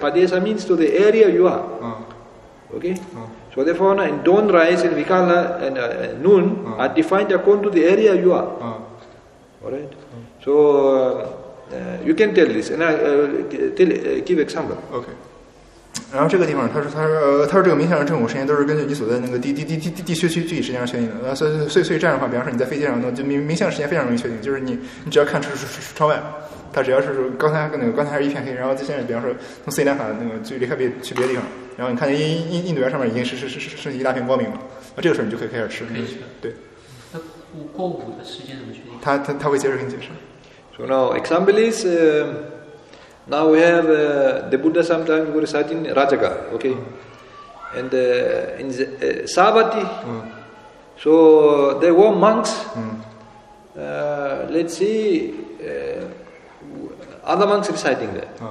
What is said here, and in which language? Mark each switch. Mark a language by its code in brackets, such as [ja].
[en] Padesa means to the area you are. Okay? So therefore, in dawn rise, in vikala, and noon, are defined according to the area you are. Alright? So, you can tell this, and give example. Okay. [zh] 然后这个地方他说这个明显的正午时间都是根据你所在那个地区具体时间上确定的，所以这样的话，比方说你在飞机上，就明显时间非常容易确定，就是你只要看窗外，它只要是刚才是一片黑，然后就现在比方说从斯里兰卡那个距离开别去别的地方，然后你看见印度洋上面已经是一大片光明了，那这个时候你就可以开始吃，对。那过午的时间怎么确定？他会接着给你解释。 [en] So now example is. Now we have the Buddha sometimes would sit in Rajaga, okay? And in Sabati, so there were monks, let's see, other monks reciting there.